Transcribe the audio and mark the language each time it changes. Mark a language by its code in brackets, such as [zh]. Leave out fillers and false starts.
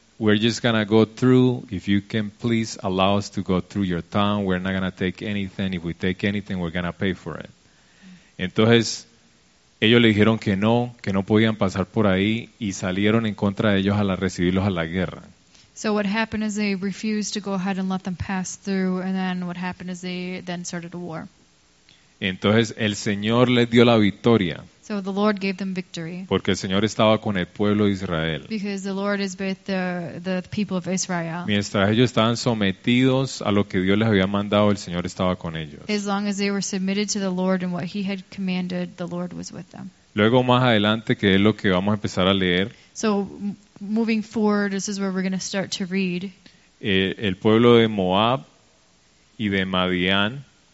[en] we're just going to go through. If you can please allow us to go through your town, we're not going to take anything. If we take anything, we're going to pay for it. [es] Entonces, ellos le dijeron que no podían pasar por ahí y salieron en contra de ellos a recibirlos a la guerra. [en] So what happened is they refused to go ahead and let them pass through, and then what happened is they then started a war. [es] Entonces, el Señor les dio la victoria. [en] So the Lord gave them victory. [es] Porque el Señor estaba con el pueblo de Israel. [en] Because the Lord is with the people of Israel. [es] Mientras ellos estaban sometidos a lo que Dios les había mandado, el Señor estaba con ellos. [en] As long as they were submitted to the Lord and what He had commanded, the Lord was with them. [es] Luego más adelante, que es lo que vamos a empezar a leer. [en] So moving forward, this is where we're going to start to read. [es] El pueblo de Moab y de Madian.